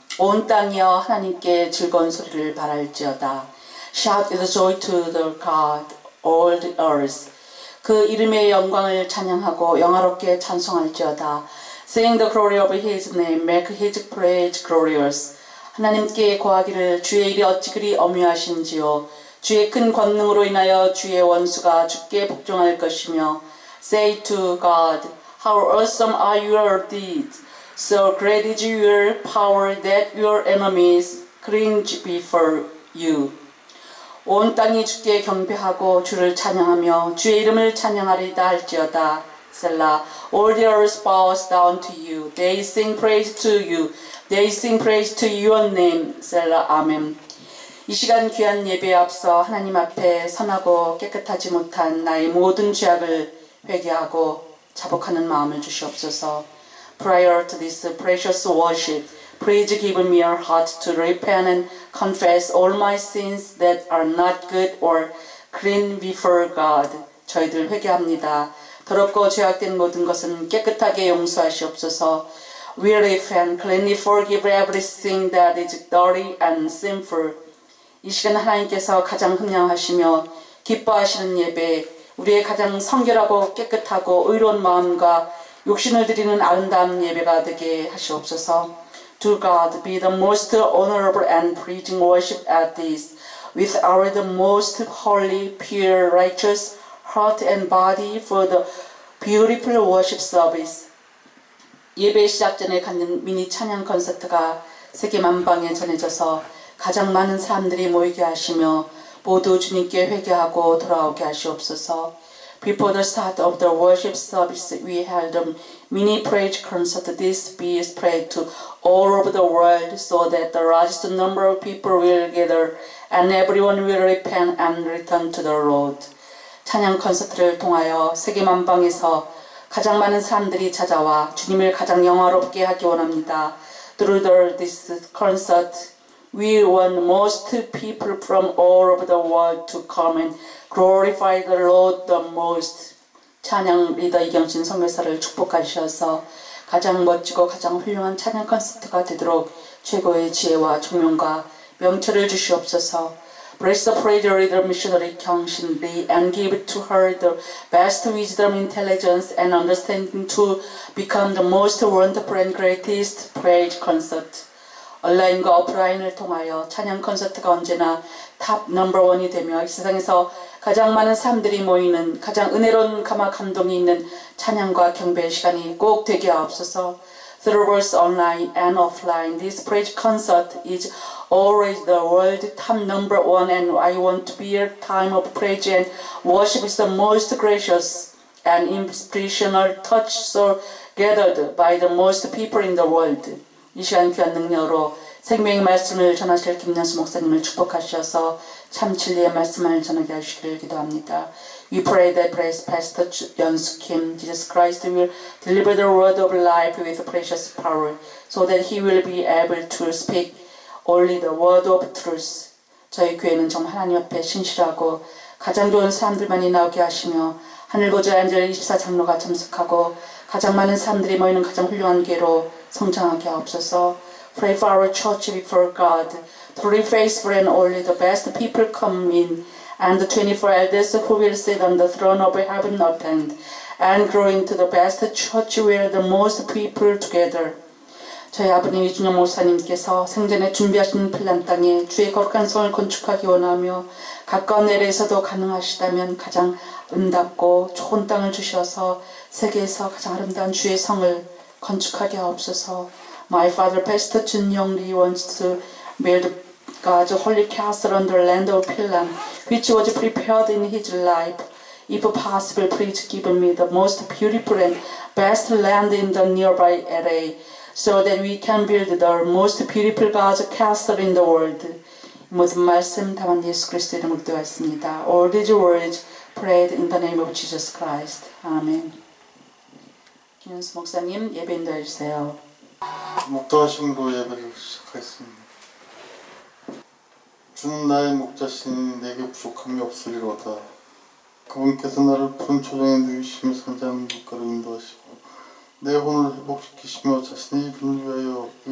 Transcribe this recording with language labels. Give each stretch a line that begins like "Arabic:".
Korean: 온 땅이여 하나님께 즐거운 소리를 바랄지어다.
English: Shout the joy to the God, all the earth.
Korean: 그 이름의 영광을 찬양하고 영화롭게 찬송할지어다.
English: Sing the glory of His name, make His praise glorious.
Korean: 하나님께 고하기를 주의 일이 어찌 그리 어묘하신지요. 주의 큰 권능으로 인하여 주의 원수가 주께 복종할 것이며
English: Say to God, How awesome are your deeds! So great is your power that your enemies cringe before you.
Korean: 온 땅이 주께 경배하고 주를 찬양하며 주의 이름을 찬양하리다 할지어다.
English: Selah. All the earth bows down to you. They sing praise to you. They sing praise to your name. Selah. Amen.
Korean: 이 시간 귀한 예배에 앞서 하나님 앞에 선하고 깨끗하지 못한 나의 모든 죄악을 회개하고 자복하는 마음을 주시옵소서.
English: Prior to this precious worship, please give me your heart to repent and confess all my sins that are not good or clean before God.
Korean: 저희들 회개합니다. 더럽고 죄악된 모든 것은 깨끗하게 용서하시옵소서.
English: We repent, cleanly forgive everything that is dirty and sinful.
Korean: 이 시간 하나님께서 가장 흠양하시며 기뻐하시는 예배, 우리의 가장 성결하고 깨끗하고 의로운 마음과 육신을 드리는 아름다운 예배가 되게 하시옵소서.
English: To God be the most honorable and pleasing worship at this, with our the most holy, pure, righteous heart and body for the beautiful worship service.
Korean: 예배 시작 전에 갖는 미니 찬양 콘서트가 세계 만방에 전해져서 가장 많은 사람들이 모이게 하시며 모두 주님께 회개하고 돌아오게 하시옵소서.
English: Before the start of the worship service, we held a mini praise concert. This be spread to all over the world so that the largest number of people will gather and everyone will repent and return to the Lord.
Korean: 찬양 콘서트를 통하여 세계 만방에서 가장 많은 사람들이 찾아와 주님을 가장 영화롭게 하기 원합니다.
English: Through this concert, we want most people from all over the world to come and glorify the Lord the most.
Korean: 찬양 리더 이경진 선교사를 축복하셔서 가장 멋지고 가장 훌륭한 찬양 콘서트가 되도록 최고의 지혜와 총명과 명철을 주시옵소서.
English: Bless the praise leader missionary Kyung Shin Lee and give to her the best wisdom, intelligence and understanding to become the most wonderful and greatest praise concert.
Korean: 온라인과 오프라인을 통하여 찬양 콘서트가 언제나 탑 넘버 원이 되며 이 세상에서 가장 많은 사람들이 모이는 가장 은혜로운 감화 감동이 있는 찬양과 경배의 시간이 꼭 되게 하옵소서.
English: Through us online and offline, this praise concert is always the world top number one and I want to be a time of praise and worship is the most gracious and inspirational touch so gathered by the most people in the world.
Korean: 이 시간 귀한 능력으로 생명의 말씀을 전하실 김연수 목사님을 축복하셔서 참 진리의 말씀을 전하게 하시기를 기도합니다.
English: We pray that praise Pastor 연수 Kim, Jesus Christ will deliver the word of life with precious power so that he will be able to speak only the word of truth.
Korean: 저희 교회는 정말 하나님 앞에 신실하고 가장 좋은 사람들만이 나오게 하시며 하늘보좌 안젤 24장로가 참석하고 가장 많은 사람들이 모이는 가장 훌륭한 교회로 성장하게 하옵소서.
English: Pray for our church before God. Three faithful and only the best people come in, and the 24 elders who will sit on the throne of heaven opened, and grow into the best church where the most people together.
Korean: 저희 아버님 이준영 목사님께서 생전에 준비하신 핀란 땅에 주의 거룩한 성을 건축하기 원하며 가까운 내래에서도 가능하시다면 가장 은답고 좋은 땅을 주셔서 세계에서 가장 아름다운 주의 성을 건축하게 하옵소서.
English: My father, Pastor Jun Young Lee, wants to build God's holy castle on the land of Pilan, which was prepared in his life. If possible, please give me the most beautiful and best land in the nearby LA, so that we can build the most beautiful God's castle in the world.
Korean: 모든 말씀 담은 예수 그리스도 이름으로 기도했습니다.
English: All these words prayed in the name of Jesus Christ. Amen.
Korean: 김현수 목사님, 예배 인도해주세요. 목도하신 분 예배를 시작하겠습니다. 주는 나의 목자신 내게 부족함이 없으리로다. 그분께서 나를 푸른 초장에 누이시며 산장 밑가로 인도하시고 내 혼을 회복시키시며 자신의 이름을 위하여